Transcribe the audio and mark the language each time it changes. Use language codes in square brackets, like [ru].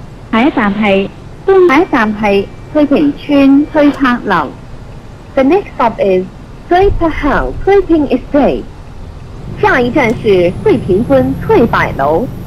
[zh] 第一站是翠屏村翠柏樓。 [en] The next stop is 翠柏樓 翠屏 estate。 [zh] 下一站是翠屏村翠柏樓。